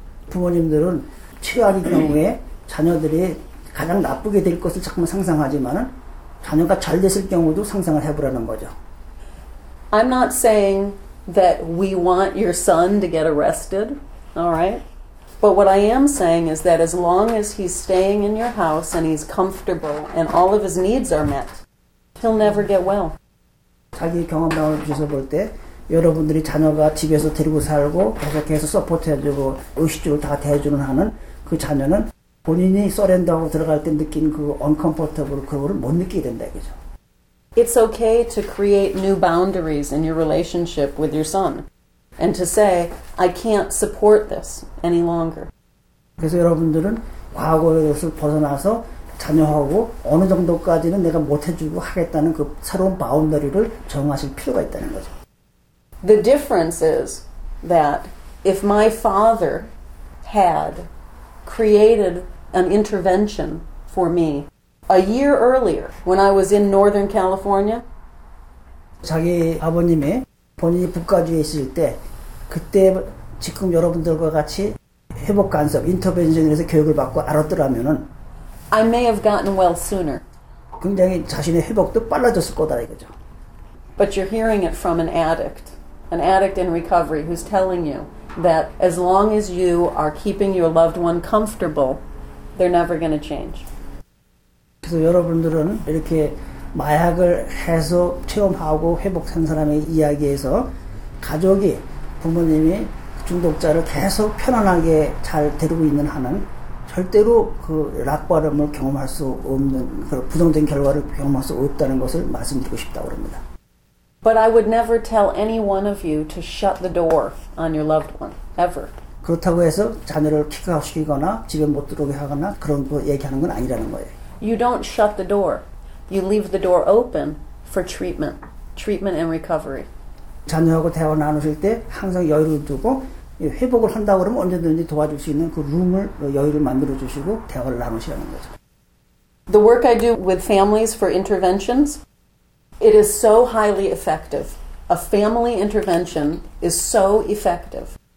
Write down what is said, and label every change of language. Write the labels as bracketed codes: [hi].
[ko] 부모님들은 최악의 경우에 자녀들이 가장 나쁘게 될 것을 자꾸 상상하지만 자녀가 잘 됐을 경우도 상상을 해보라는 거죠. [en] I'm not saying that we want your son to get arrested, all right? But what I am saying is that as long as he's staying in your house and he's comfortable and all of his needs are met, he'll never get well. [ko] 자기 경험담을 주셔서 볼 때 여러분들이 자녀가 집에서 데리고 살고 계속 서포트해주고 의식주를 다 대해주는 하는 그 자녀는 본인이 서렌더하고 들어갈 때 느낀 그 uncomfortable 그거를 못 느끼게 된다 이거죠. [en] It's okay to create new boundaries in your relationship with your son. And to say, I can't support this any longer. [ko] 그래서 여러분들은 과거의 것을 벗어나서 자녀하고 어느 정도까지는 내가 못해주고 하겠다는 그 새로운 바운더리를 정하실 필요가 있다는 거죠. [en] The difference is that if my father had created an intervention for me a year earlier when I was in Northern California, [ko] 자기 아버님이 본인이 북가주에 있을 때 그때 지금 여러분들과 같이 회복 간섭, 인터벤션에서 교육을 받고 알았더라면은 [en] I may have gotten well sooner. [ko] 굉장히 자신의 회복도 빨라졌을 거다 이거죠. [en] But you're hearing it from an addict in recovery who's telling you that as long as you are keeping your loved one comfortable, they're never going to change. [ko] 그래서 여러분들은 이렇게 마약을 해서 체험하고 회복한 사람의 이야기에서 가족이 부모님이 중독자를 계속 편안하게 잘 데리고 있는 한은 절대로 그 락바름을 경험할 수 없는 그런 부정적인 결과를 경험할 수 없다는 것을 말씀드리고 싶다고 합니다. [en] But I would never tell any one of you to shut the door on your loved one, ever. [ko] 그렇다고 해서 자녀를 킥아웃시키거나 집에 못 들어오게 하거나 그런 거 얘기하는 건 아니라는 거예요. [en] You don't shut the door. You leave the door open for treatment, treatment and recovery. [ko] 자녀하고 대화 나누실 때 항상 여유를 두고 회복을 한다고 그러면 언제든지 도와줄 수 있는 그 룸을 여유를 만들어 주시고 대화를 나누시라는 거죠. [en] The work I do with families for interventions, it is so highly effective. A family intervention is so effective.